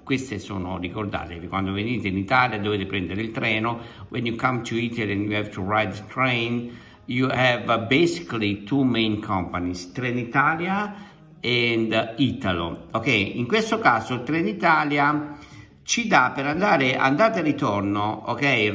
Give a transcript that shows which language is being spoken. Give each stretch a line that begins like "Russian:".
Italian: Queste sono, ricordatevi, quando venite in Italia dovete prendere il treno.
English: When you come to Italy and you have to ride the train, you have basically two main companies, Trenitalia and Italo.
Italian: Ok, in questo caso Trenitalia ci dà per andare andata e ritorno, ok?